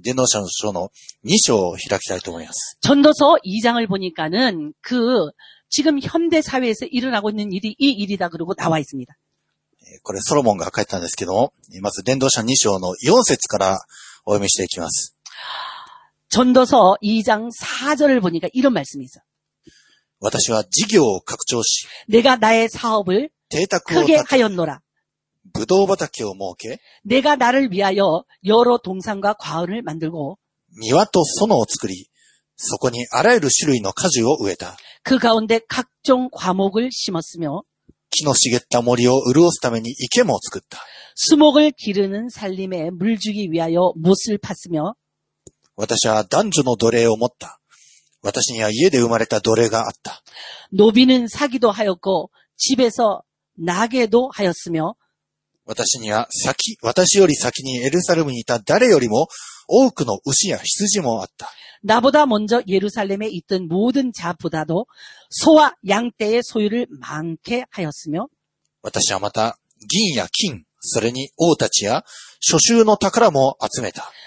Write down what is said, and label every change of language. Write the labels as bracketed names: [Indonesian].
[Japanese] 伝道者の書の2章を開きたいと思います。 [Korean] 전도서2장을보니까는、지금현대사회에서일어나고있는일이이일이다그러고나와있습니다。 [Japanese] これソロモンが書いたんですけども、まず伝道者2章の4節からお読みしていきます。 [Korean] 전도서2장4절을보니까이런말씀이있어 [Japanese] 요私は事業を拡張し [Korean] 내가나의사업을 [Japanese] 邸宅 [Korean] 크게하였노라 [Japanese] ブドウ畑を設け [Korean] 내가나를위하여여러동산과과원을만들고 [Japanese] 庭と園を作りそこにあらゆる種類の果樹を植えた [Korean] 그가운데각종과목을심었으며 [Japanese] 木の茂った森を潤すために池も作った [Korean] 수목을기르는살림에물주기위하여못을팠으며 [Japanese] 私は男女の奴隷を持った。私には家で生まれた奴隷があった。 [Korean] 노비는사기도하였고집에서나게도하였으며 [Japanese] 私には先、私より先にエルサレムにいた誰よりも多くの牛や羊もあった。 [Korean] 나보다먼저예루살렘에있던모든자보다도소와양떼의소유를많게하였으며 [Japanese] 私はまた銀や金、それに王たちや諸州の宝も集めた。